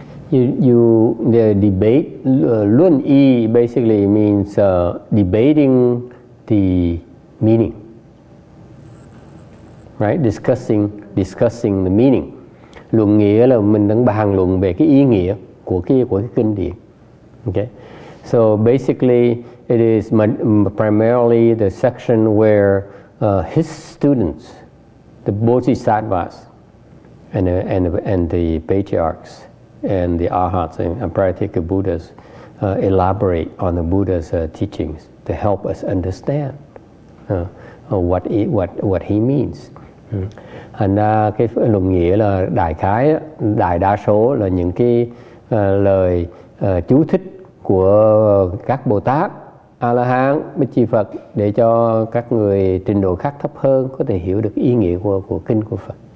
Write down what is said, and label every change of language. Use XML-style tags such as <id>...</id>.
<en>The debate, luận y basically means debating the meaning. Right? Discussing the meaning.</en> <vi>Luận nghĩa là mình đang bàn luận về cái ý nghĩa của cái kinh điển.</vi> <en>Okay? So basically, it is primarily the section where his students, the Bodhisattvas, and the patriarchs, and the Arhats and Pratika Buddhas elaborate on the Buddha's teachings to help us understand what he means.</en> <vi>Thành ra cái luận nghĩa là đại khái, đại đa số là những cái lời chú thích của các Bồ Tát, A-la-hán, Bích Chi Phật để cho các người trình độ khác thấp hơn có thể hiểu được ý nghĩa của kinh của Phật.</vi>